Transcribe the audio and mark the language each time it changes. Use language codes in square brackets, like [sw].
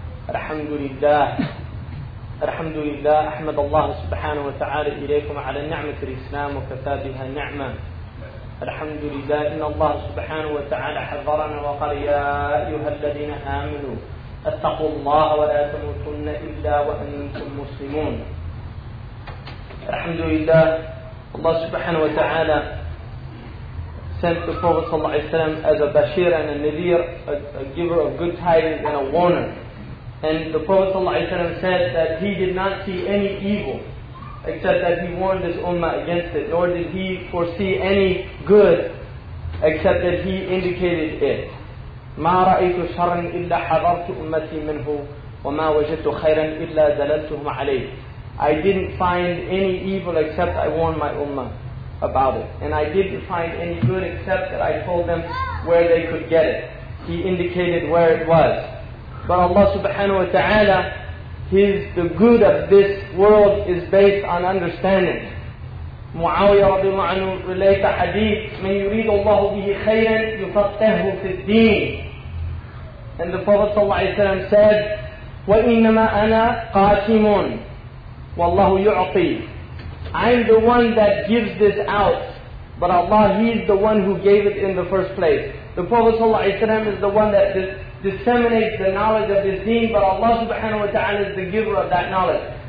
[ar] الحمد لله الحمد لله، أحمد الله سبحانه وتعالى إليكم على نعمة الإسلام وكفى بها نعمة. الحمد لله إن الله سبحانه وتعالى حذرنا وقال: يا أيها الذين آمنوا اتقوا الله ولا تموتن إلا وأنتم مسلمون. الحمد لله الله سبحانه وتعالى [en] sent the Prophet [ar] صلى الله عليه وسلم [en] as a bashir and a nadir, a giver of good tidings and a warner. And the Prophet ﷺ said that he did not see any evil except that he warned his ummah against it, nor did he foresee any good except that he indicated it. [ar] مَا رَأَيْتُ شَرًا إِلَّا حَضَرْتُ أُمَّتِي مِنْهُ وَمَا وَجَدْتُ خَيْرًا إِلَّا زَلَلْتُهُمْ عَلَيْهِ. [en] I didn't find any evil except I warned my ummah about it. And I didn't find any good except that I told them where they could get it. He indicated where it was. But Allah subhanahu wa ta'ala, the good of this world is based on understanding. [ar] Muawiyah radiallahu anhu [en] relates a hadith, [ar] مَنْ يُرِيدُ اللَّهُ بِهِ خَيْرًا يُفَقَّهُ فِي الدِّينِ. [en] And the Prophet sallallahu alayhi wa sallam said, [ar] وَإِنَّمَا أَنَا قَاسِمٌ وَاللَّهُ يُعْطِي. [en] I'm the one that gives this out, but Allah, He's the one who gave it in the first place. The Prophet sallallahu alayhi wa sallam is the one that disseminates the knowledge of his deen, but Allah subhanahu wa ta'ala is the giver of that knowledge.